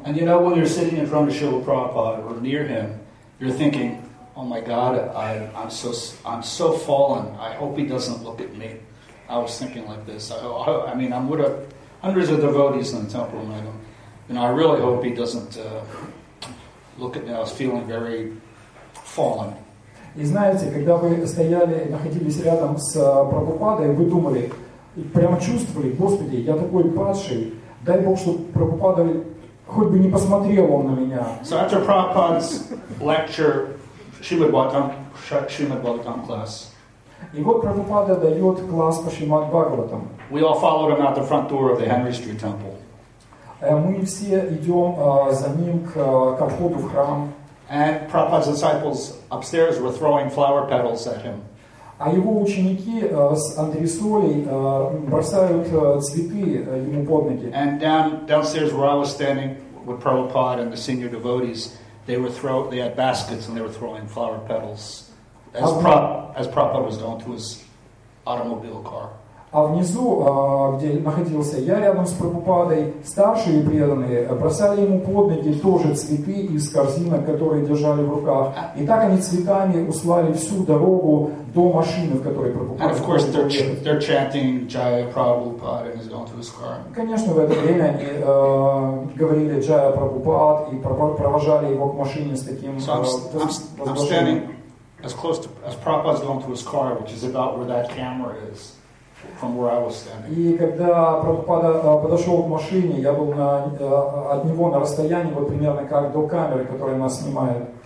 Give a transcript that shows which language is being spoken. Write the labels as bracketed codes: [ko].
[en] And you know, when you're sitting in front of Srila Prabhupada or near him, you're thinking, oh my God, I'm so fallen. I hope he doesn't look at me. I was thinking like this. I mean, I'm with hundreds of devotees in the temple, and I really hope he doesn't look at me. I was feeling very fallen. [ru] И знаете, когда вы стояли, находились рядом с Прабхупадой, вы думали, прямо чувствовали, Господи, я такой падший, дай Бог, чтобы Прабхупада хоть бы не посмотрел он на меня. [en] So after Prabhupada's lecture, Srimad-Bhagavatam class. [ru] И вот Прабхупада дает класс по Шримад-Бхагаватам. [en] We all followed him out the front door of the Henry Street Temple. [ru] Мы все идем за ним к входу в храм. [en] And Prabhupada's disciples upstairs were throwing flower petals at him. [ru] А его ученики с антресолей бросают цветы ему под ноги. [en] And downstairs where I was standing with Prabhupada and the senior devotees, they had baskets and they were throwing flower petals as Prabhupada was going to his automobile car. [ru] А внизу, где находился я рядом с Прабхупадой, старшие преданные бросали ему под ноги тоже цветы из корзинок, которые держали в руках. И так они цветами услали всю дорогу до машины, в которой Прабхупада. [en] And of course they're chanting Jaya Prabhupada and he's going to his car. [ru] Конечно, в это время они говорили Jaya Prabhupada и провожали его к машине с таким. [en] I'm standing as close to as Prabhupada's going to his car, which is about where that camera is. from where I was standing. [ru] И когда Прабхупада подошел к машине, я был на от него на расстоянии вот примерно как до камеры, которая нас снимает.